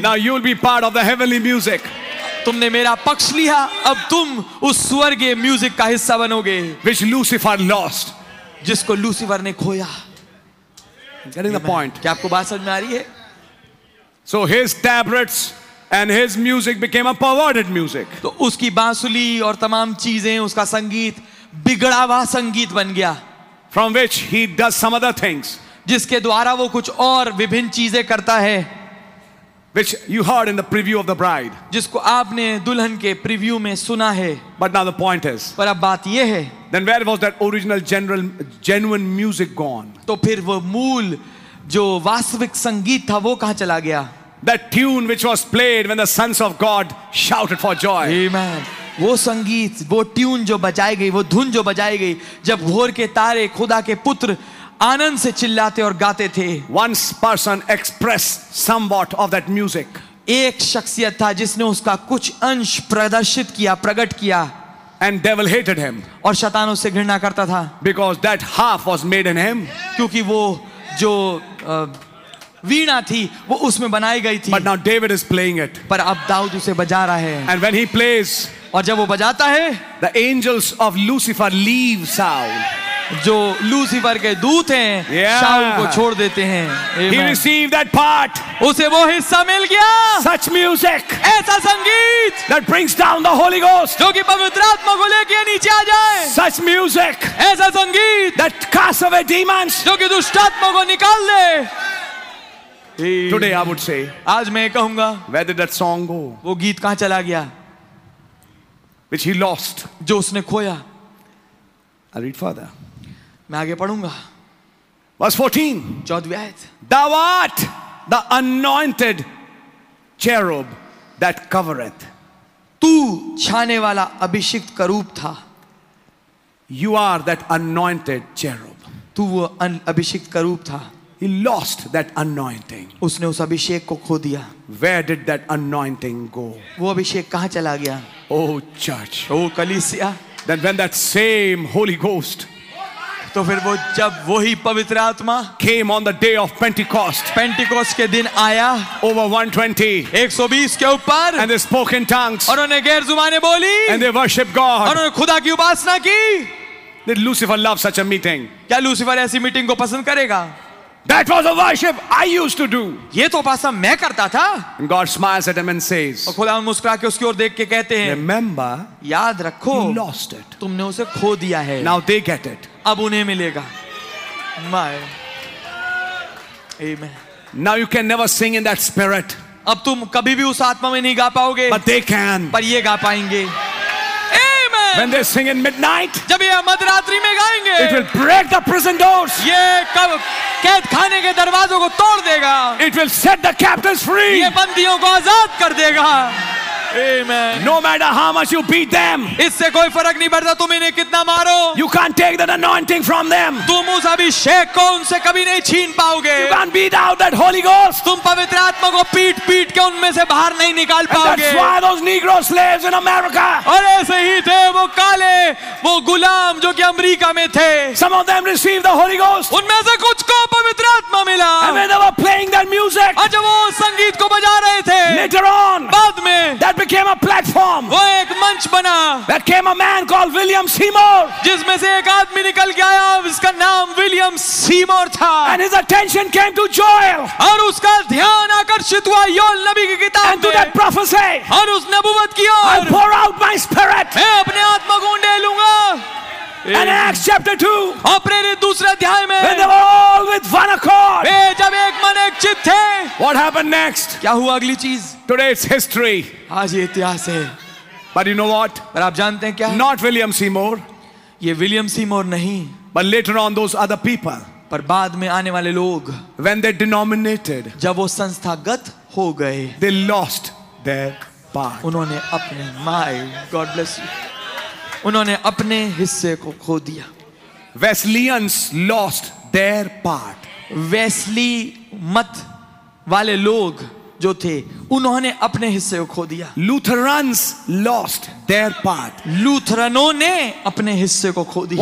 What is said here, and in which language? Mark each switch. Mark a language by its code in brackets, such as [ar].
[en] Now you'll be part of the heavenly music. [hi] तुमने मेरा पक्ष लिया. अब तुम उस स्वर्गीय म्यूजिक का हिस्सा बनोगे. [en] Which Lucifer lost. [hi] जिसको लूसीफर ने खोया. [en] Getting the point. [hi] क्या आपको बात समझ में आ रही है? [en] So his tablets and his music became a perverted music. [hi] तो उसकी बांसुली और तमाम चीजें उसका संगीत बिगड़ा हुआ संगीत बन गया. [en] From which he does some other things. [hi] जिसके द्वारा वो कुछ और विभिन्न चीजें करता है. [en] Which you heard in the preview of the bride. [hi] जिसको आपने दुल्हन के प्रीव्यू में सुना है. [en] But now the point is. [hi] पर अब बात ये है. [en] Then where was that original genuine music gone? [hi] तो फिर वो मूल जो वास्तविक संगीत था वो कहाँ चला गया? [en] That tune which was played when the sons of God shouted for joy. Amen. [hi] वो संगीत वो ट्यून जो बजाई गई वो धुन जो बजाई गई जब भोर के तारे खुदा के पुत्र आनंद से चिल्लाते और गाते थे. [en] One person expressed somewhat of that music. [hi] एक शख्सियत था जिसने उसका कुछ अंश प्रदर्शित किया प्रकट किया. [en] And devil hated him. [hi] और शैतान उसे घृणा करता था. [en] Because that half was made in him. [hi] क्योंकि वो जो वीणा थी वो उसमें बनाई गई थी. [en] But now David is playing it. [hi] पर अब दाऊद उसे बजा रहा है. [en] And when he plays, [hi] और जब वो बजाता है, [en] the angels of Lucifer leave Saul. [hi] जो लूसीफर के दूत हैं, [en] yeah. [hi] शाऊल को छोड़ देते हैं. [en] He received that part. [hi] उसे वो हिस्सा मिल गया. [en] Such music. [hi] ऐसा संगीत. [en] That brings down the Holy Ghost. [hi] जो कि पवित्र आत्मा को लेके नीचे आ जाए. [en] Such music. [hi] ऐसा संगीत. [en] That casts away demons. [hi] जो कि दुष्ट आत्मा को निकाल दे. [en] Today I would say. [hi] आज मैं कहूँगा. [en] Where did that song go? [hi] वो गीत कहाँ चला गया? [en] Which he lost. [hi] जो उसने खोया. [en] I'll read further. [hi] मैं आगे पढ़ूंगा. [en] Verse 14. [hi] चौदहवीं आयत. [en] Thou art the anointed cherub that covereth. [hi] तू छाने वाला अभिषिक्त करूब था. [en] You are that anointed cherub. [hi] तू वो अभिषिक्त करूब था. [en] He lost that anointing. [hi] उसने उस अभिषेक को खो दिया. [en] Where did that anointing go? [hi] वो अभिषेक कहाँ चला गया? [en] Oh church. [hi] Oh कलीसिया. [en] Then when that same Holy Ghost. [hi] तो फिर वो जब वही पवित्र आत्मा [en] came on the day of Pentecost. [hi] Pentecost के दिन आया. [en] Over 120. [hi] 120 के ऊपर. [en] And they spoke in tongues. [hi] और उन्होंने गैर जुबानें बोली. [en] And they worshipped God. [hi] और उन्होंने खुदा की उपासना की. [en] Did Lucifer love such a meeting? [hi] क्या लूसीफर ऐसी मीटिंग को पसंद करेगा? [en] That was a worship I used to do. [hi] ये तो पासा मैं करता था. [en] And God smiles at him and says. [hi] और खुदा मुस्कुरा के उसकी ओर देख के कहते हैं. [en] Remember. [hi] याद रखो. [en] He lost it. [hi] तुमने उसे खो दिया है. [en] Now they get it. [hi] अब उन्हें मिलेगा. My. Amen. [en] Now you can never sing in that spirit. [hi] अब तुम कभी भी उस आत्मा में नहीं गा पाओगे. [en] But they can. [hi] पर ये गा पाएंगे. [en] When they sing in midnight, [hi] जब ये मध्यरात्रि में गाएंगे, [en] it will break the prison doors. [hi] ये कब कैद खाने के दरवाजों को तोड़ देगा. [en] It will set the captives free. [hi] ये बंदियों को आजाद कर देगा. Amen. [en] No matter how much you beat them, [hi] इससे कोई फर्क नहीं पड़ता तुम इन्हें कितना मारो. [en] You can't take that anointing from them. [hi] तुम उस अभिषेक को उनसे कभी नहीं छीन पाओगे. [en] You can't beat out that Holy Ghost. [hi] तुम पवित्र आत्मा को पीट पीट के उनमें से बाहर नहीं निकाल पाओगे. [en] And that's why those Negro slaves in America. [hi] और ऐसे ही थे वो काले वो गुलाम जो कि अमरीका में थे. [en] Some of them received the Holy Ghost. [hi] उनमें से कुछ को पवित्र आत्मा मिला. [en] And when they were playing that music. [hi] और जब वो संगीत को बजा रहे थे. [en] Later on. [hi] बाद में. [en] Became a platform. [hi] वो एक मंच बना. [en] That came a man called William Seymour. [hi] जिसमें से एक आदमी निकल के आया. उसका नाम William Seymour था. [en] And his attention came to Joel. [hi] और उसका ध्यान आकर्षित हुआ योएल नबी की किताब में. [en] And to that prophecy. [hi] और उस नबुवत की ओर. [en] I pour out my spirit. [hi] मैं अपने आत्मा को उंडेल लूँगा. [en] And Acts chapter 2. [hi] और प्रेरित दूसरे अध्याय में. [en] When they were all with one accord. [hi] वे जब एक मन एक चित थे. [en] What happened next? [hi] क्या हुआ अगली चीज? [en] Today it's history. [hi] आज ये इतिहास है. [en] But you know what? [hi] पर आप जानते हैं क्या? [en] Not William Seymour. [hi] ये William Seymour नहीं. [en] But later on those other people. [hi] पर बाद में आने वाले लोग. [en] When they denominated. [hi] जब वो संस्थागत हो गए. [en] They lost their part. [hi] उन्होंने अपने [en] my God bless you. [hi] उन्होंने अपने हिस्से को खो दिया. [en] Wesleyans lost their part. [hi] Wesley मत वाले लोग जो थे उन्होंने अपने हिस्से को खो दिया. [en] Lutherans lost their part. [hi] लूथरनों ने अपने हिस्से को खो दिया.